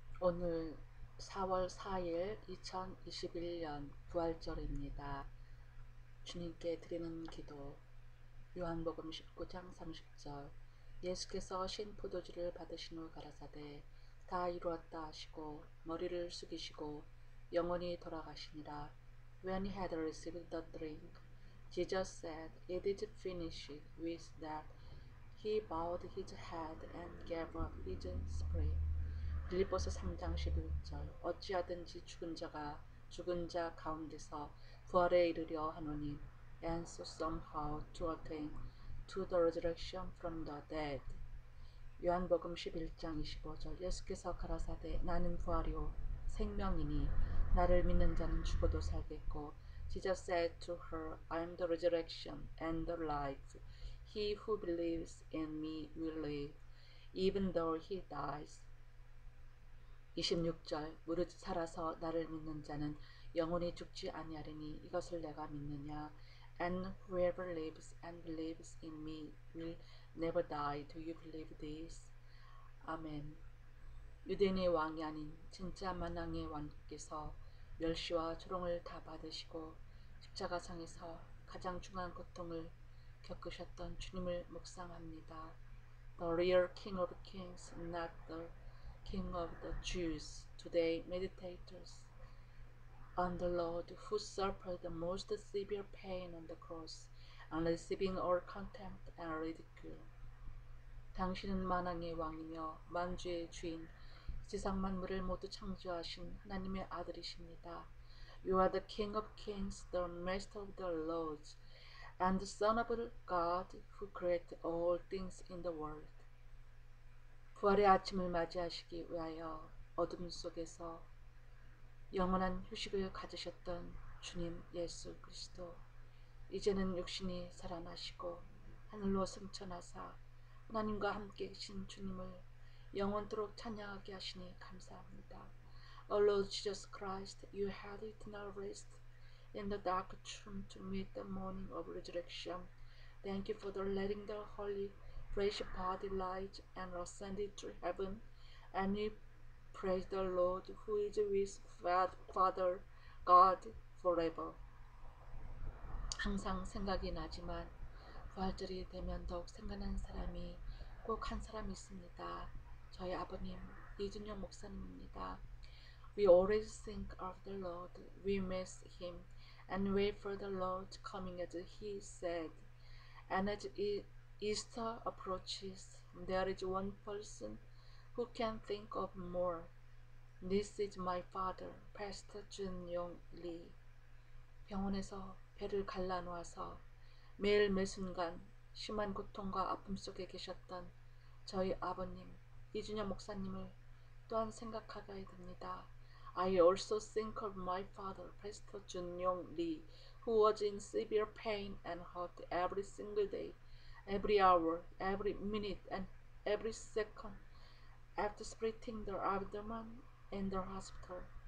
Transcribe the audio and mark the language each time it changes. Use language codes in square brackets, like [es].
[ko] 오늘 4월 4일 2021년 부활절입니다. 주님께 드리는 기도. 요한복음 19장 30절. 예수께서 신 포도주를 받으신 후 가라사대 다 이루었다 하시고 머리를 숙이시고 영원히 돌아가시니라. [en] When he had received the drink, Jesus said, "It is finished." With that, he bowed his head and gave up his spirit. [ko] 빌립보서 3장 11절. 어찌하든지 죽은 자가 죽은 자 가운데서 부활에 이르려 하노니, [en] and so somehow to attain to the resurrection from the dead. [ko] 요한복음 11장 25절. 예수께서 가라사대 나는 부활이요 생명이니 나를 믿는 자는 죽어도 살겠고. [en] Jesus said to her, I am the resurrection and the life. He who believes in me will live, even though he dies. [ko] 26절, 무릇 살아서 나를 믿는 자는 영원히 죽지 아니하리니 이것을 내가 믿느냐? [en] And whoever lives and believes in me will never die. Do you believe this? 아멘. [ko] 유대인의 왕이 아닌 진짜 만왕의 왕께서 멸시와 조롱을 다 받으시고 십자가상에서 가장 중한 고통을 겪으셨던 주님을 묵상합니다. [en] The real King of Kings, not the King of the Jews, today meditators on the Lord who suffered the most severe pain on the cross and receiving all contempt and ridicule. [ko] 당신은 만왕의 왕이며 만주의 주인, 지상 만물을 모두 창조하신 하나님의 아들이십니다. [en] You are the King of Kings, the Master of the Lords, and the Son of God who created all things in the world. [ko] 부활의 아침을 맞이하시기 위하여 어둠 속에서 영원한 휴식을 가지셨던 주님 예수 그리스도, 이제는 육신이 살아나시고 하늘로 승천하사 하나님과 함께 계신 주님을 영원토록 찬양하게 하시니 감사합니다. [en] O Lord Jesus Christ, you had eternal rest in the dark tomb to meet the morning of resurrection. Thank you for the letting the holy fresh body light and ascended to heaven, and we praise the Lord who is with Father God forever. [ko] 항상 생각이 나지만 부활절이 되면 더욱 생각나는 사람이 꼭한 사람 있습니다. 저희 아버님 이준영 목사님입니다. [en] We always think of the Lord, we miss him, and wait for the Lord coming as he said. And as Easter approaches, there is one person who can think of more. This is my father, Pastor Jun Yong Lee. [ko] 병원에서 배를 갈라놓아서 매일 매순간 심한 고통과 아픔 속에 계셨던 저희 아버님, 이준영 목사님을 또한 생각하게 됩니다. [en] I also think of my father, Pastor Jun Yong Lee, who was in severe pain and hurt every single day, every hour, every minute, and every second after splitting their abdomen in the hospital.